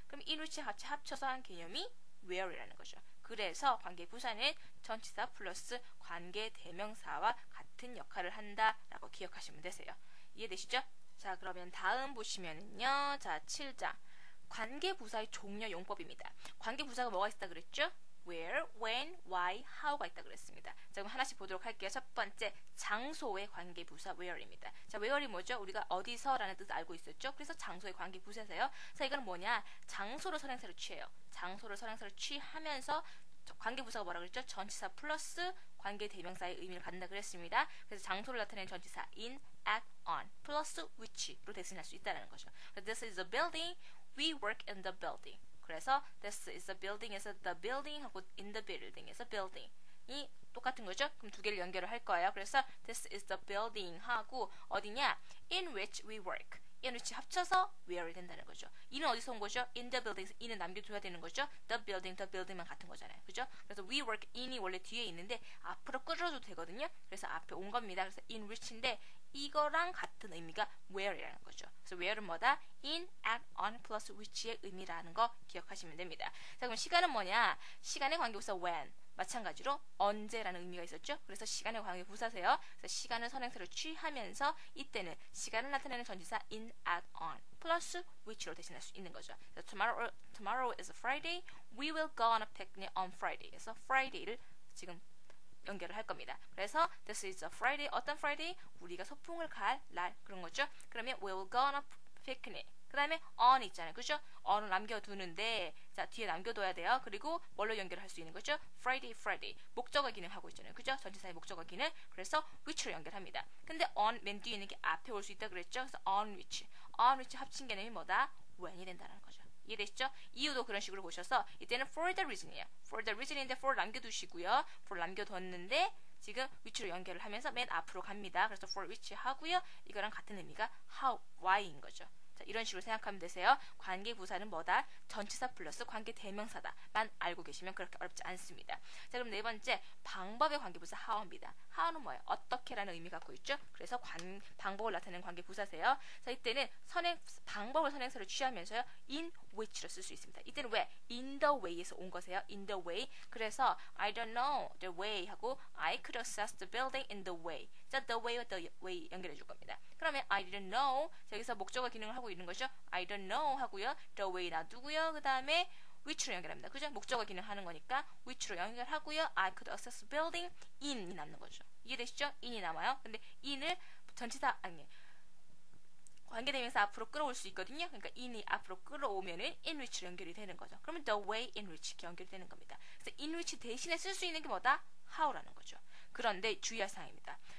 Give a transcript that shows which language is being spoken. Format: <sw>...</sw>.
<ko>그럼 in, which 같이 합쳐서 한 개념이 where라는 거죠. 그래서 관계부사는 전치사 플러스 관계대명사와 같은 역할을 한다라고 기억하시면 되세요. 이해되시죠? 자 그러면 다음 보시면은요. 자 7장 관계부사의 종료 용법입니다. 관계부사가 뭐가 있다 그랬죠? where, when, why, how가 있다 그랬습니다. 자 그럼 하나씩 보도록 할게요. 첫 번째 장소의 관계부사 where입니다. 자 where이 뭐죠? 우리가 어디서라는 뜻을 알고 있었죠? 그래서 장소의 관계부사세요. 자 이건 뭐냐? 장소를 선행사로 취해요. 장소를 선행사로 취하면서 관계부사가 뭐라 그랬죠? 전치사 플러스 관계대명사의 의미를 갖는다 그랬습니다. 그래서 장소를 나타내는 전치사 in, at, on, plus which로 대신할 수 있다는 거죠.</ko> <en>This is a building. We work in the building.</en> <ko>그래서 this is a building 에서 the building 하고 in the building 에서 building이 똑같은 거죠? 그럼 두 개를 연결을 할 거예요.</ko> <en>그래서 this is the building 하고 어디냐? In which we work.</en> <ko>in which 합쳐서 where이 된다는 거죠. in은 어디서 온 거죠? in the building에서 in은 남겨둬야 되는 거죠.</ko> <en>the building, the building만 같은 거잖아요.</en> <ko>그죠? 그래서 we work in이 원래 뒤에 있는데 앞으로 끌어줘도 되거든요. 그래서 앞에 온 겁니다. 그래서 in which인데 이거랑 같은 의미가 where이라는 거죠. 그래서 where은 뭐다? in, at, on, plus which의 의미라는 거 기억하시면 됩니다. 자 그럼 시간은 뭐냐? 시간의 관계부사 when 마찬가지로 언제라는 의미가 있었죠. 그래서 시간의 관계부사세요. 그래서 시간을 선행사로 취하면서 이때는 시간을 나타내는 전치사 in, at, on, plus which로 대신할 수 있는 거죠.</ko> <en>그래서 tomorrow is a Friday. We will go on a picnic on Friday.</en> <ko>그래서 Friday를 지금 연결을 할 겁니다.</ko> <en>그래서 this is a Friday.</en> <ko>어떤 Friday? 우리가 소풍을 갈 날 그런 거죠.</ko> <en>그러면 we will go on a picnic.</en> <ko>그 다음에 on 있잖아요. 그죠? on을 남겨두는데 자 뒤에 남겨둬야 돼요. 그리고 뭘로 연결할 수 있는 거죠?</ko> <en>Friday.</en> <ko>목적어 기능하고 있잖아요. 그죠? 전치사의 목적어 기능. 그래서 which로 연결합니다. 근데 on 맨 뒤에 있는 게 앞에 올 수 있다 그랬죠?</ko> <en>그래서 on which.</en> <ko>on which 합친 개념이 뭐다? when이 된다는 거죠. 이해되시죠? 이유도 그런 식으로 보셔서 이때는 for the reason이에요. for the reason인데 for 남겨두시고요. for 남겨뒀는데 지금 위치로 연결을 하면서 맨 앞으로 갑니다. 그래서 for which 하고요. 이거랑 같은 의미가 how, why인 거죠. 자, 이런 식으로 생각하면 되세요. 관계부사는 뭐다? 전치사 플러스 관계대명사다만 알고 계시면 그렇게 어렵지 않습니다. 자, 그럼 네 번째 방법의 관계부사 how입니다. how는 뭐예요? 어떻게라는 의미 갖고 있죠? 그래서 방법을 나타내는 관계부사세요. 자, 이때는 방법을 선행사로 취하면서요. in which로 쓸 수 있습니다. 이때는 왜? in the way에서 온 거세요.</ko> <en>in the way. 그래서</en> <ko>I don't know the way</ko> <en>하고</en> <ko>I could access the building in the way. 자, the way와 the way 연결해 줄 겁니다.</ko> <en>그러면 I didn't know.</en> <ko>자, 여기서 목적어 기능을 하고 있는 거죠.</ko> <en>I don't know 하고요. The way 놔두고요.</en> <ko>그 다음에 which로 연결합니다. 그죠? 목적어 기능하는 거니까 which로 연결하고요.</ko> <en>I could access building in이 남는 거죠.</en> <ko>이해되시죠? in이 남아요. 근데 in을 전치사 아니 관계대명사 앞으로 끌어올 수 있거든요. 그러니까 in이 앞으로 끌어오면은 in which로 연결이 되는 거죠. 그러면 the way in which 연결이 되는 겁니다. 그래서 in which 대신에 쓸 수 있는 게 뭐다? how라는 거죠. 그런데 주의할 사항입니다.</ko>